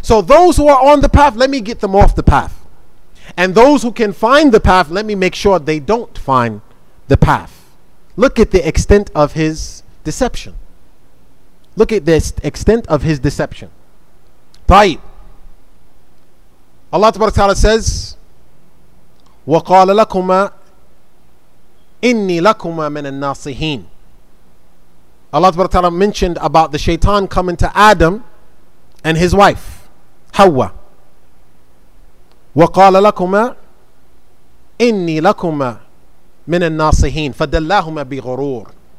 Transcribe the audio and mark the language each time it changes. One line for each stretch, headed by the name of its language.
English: So those who are on the path, let me get them off the path. And those who can find the path, let me make sure they don't find the path. Look at the extent of his deception. Look at this extent of his deception.
Arabic: طيب.
English: Allah Tabarak Ta'ala says,
Arabic: وَقَالَ لَكُمَا إِنِّي لَكُمَا مِنَ النَّاصِحِينَ.
English: Allah Tabarak Ta'ala mentioned about the shaitan coming to Adam and his wife, Hawa.
Arabic: وَقَالَ لَكُمَا إِنِّي لَكُمَا مِنَ النَّاصِحِينَ فَدَلَّهُمَا بِغُرُورٍ.